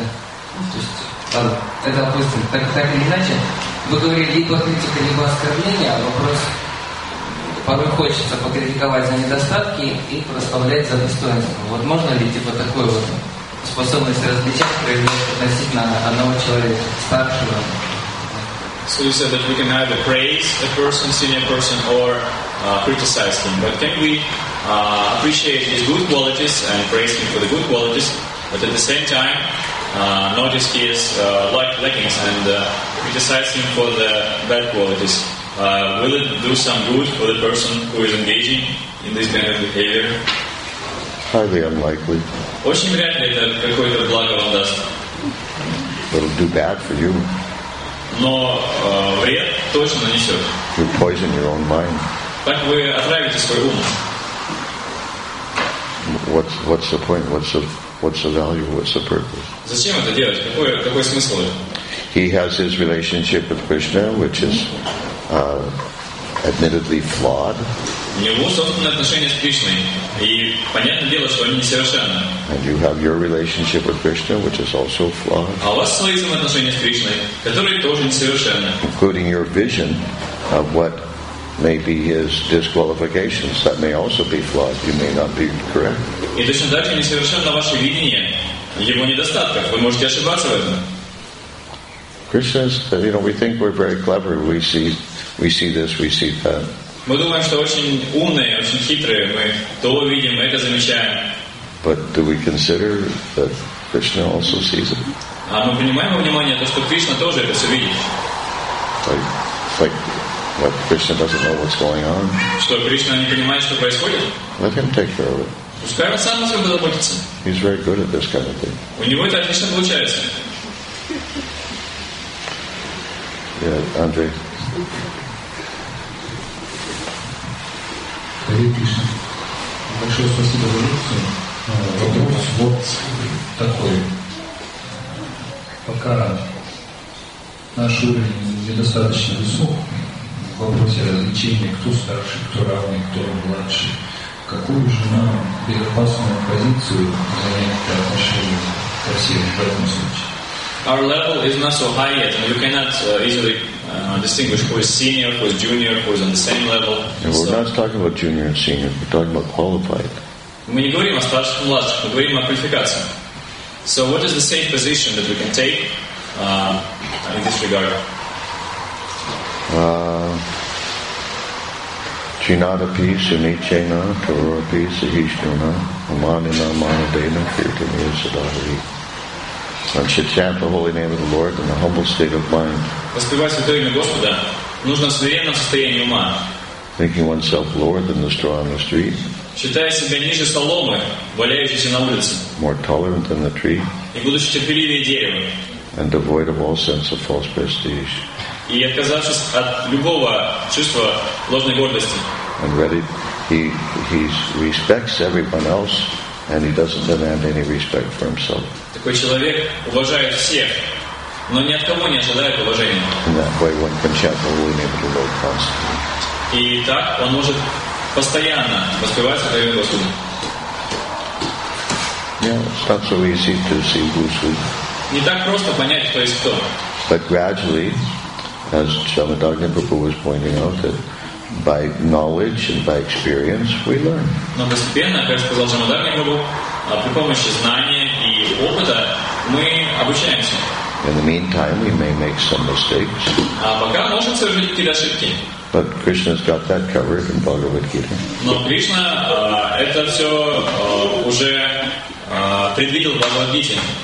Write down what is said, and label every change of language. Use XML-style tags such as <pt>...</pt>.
<ru>То есть, там, это, допустим, так или иначе, вы говорили либо критика, либо оскорбление, а вопрос... Порой хочется покритиковать за недостатки и прославлять за достоинство. Вот можно ли, типа, такой вот способность различать проявлять относительно одного человека, старшего?</ru> <en>So you said that we can either praise a person, senior person, or criticize them. But can we appreciate his good qualities and praise him for the good qualities, but at the same time notice his lackings and criticize him for the bad qualities? Will it do some good for the person who is engaging in this kind of behavior? Highly unlikely.</en> <ru>Очень вряд ли это какое-то благо вам даст.</ru> <en>It'll do bad for you.</en> <ru>Но вред точно нанесет.</ru> <en>You poison your own mind.</en> <ru>Так вы отравите свой ум.</ru> <en>What's the point? What's the value? What's the purpose?</en> <ru>Зачем это делать? Какой смысл?</ru> <en>He has his relationship with Krishna, which is admittedly flawed.</en> <ru>У него собственные отношения с Кришной. И понятное дело, что они несовершенны.</ru> <en>And you have your relationship with Krishna, which is also flawed.</en> <ru>А у вас свои взаимоотношения с Кришной, которые тоже несовершенны.</ru> <en>Including your vision of what may be his disqualifications, that may also be flawed. You may not be correct.</en> <ru>И точно так же несовершенно ваше видение его недостатков. Вы можете ошибаться в этом.</ru> <en>Krishna says, you know, we think we're very clever. We see this, we see that.</en> <ru>Мы думаем, что очень умные, очень хитрые. Мы то видим, мы это замечаем.</ru> <en>But do we consider that Krishna also sees it?</en> <ru>А мы принимаем во внимание то, что Кришна тоже это все видит?</ru> <en>Like what, Krishna doesn't know what's going on?</en> <ru>Что Кришна не понимает, что происходит?</ru> <en>Let him take care of it.</en> <ru>Пускай он сам о себе заботится.</ru> <en>He's very good at this kind of thing.</en> <ru>У него это отлично получается.</ru> <en>Yeah, Andre. Hare Krishna.</en> <ru>Большое спасибо за лекцию. Вопрос вот такой. Пока наш уровень недостаточно высок в вопросе развлечения, кто старше, кто равный, кто младше, какую же нам безопасную позицию занять по отношению ко всем в этом случае?</ru> <en>Our level is not so high yet, and you cannot easily distinguish who is senior, who is junior, who is on the same level. And we're so, not talking about junior and senior, we're talking about qualified.</en> <ru>Мы не говорим о старших и младших, мы говорим о квалификации.</ru> <en>So what is the safe position that we can take in this regard? Chinata piece, unichena, torora piece, ahishnuna, amanina, amanadena, kirtaniya, sadahari. One should chant the holy name of the Lord in a humble state of mind.</en> <ru>Воспевать святое имя Господа нужно в смиренном состоянии ума.</ru> <en>Thinking oneself lower than the straw on the street.</en> <ru>Считая себя ниже соломы, валяющейся на улице.</ru> <en>More tolerant than the tree.</en> <ru>И будучи терпеливее дерева.</ru> <en>And devoid of all sense of false prestige.</en> <ru>И отказавшись от любого чувства ложной гордости.</ru> <en>And ready, he respects everyone else. And he doesn't demand any respect for himself.</en> <ru>Такой человек уважает всех, но ни от кого не ожидает уважения.</ru> <en>In that way, one can chant the holy name of the Lord constantly.</en> <ru>И так он может постоянно воспевать Святое имя Господа.</ru> <en>Yeah, it's not so easy to see who's who.</en> <ru>Не так просто понять, кто есть кто.</ru> <en>But gradually, as Shamadagna Prabhu was pointing out, that by knowledge and by experience, we learn.</en> <ru>Но постепенно, как сказал Шамадарни Прабху, при помощи знания и опыта мы обучаемся.</ru> <en>In the meantime, we may make some mistakes.</en> <ru>А пока можем совершить какие-то ошибки.</ru> <en>But Krishna's got that covered in Bhagavad Gita.</en> <ru>Но Кришна это все уже предвидел в Бхагавад-гите.</ru>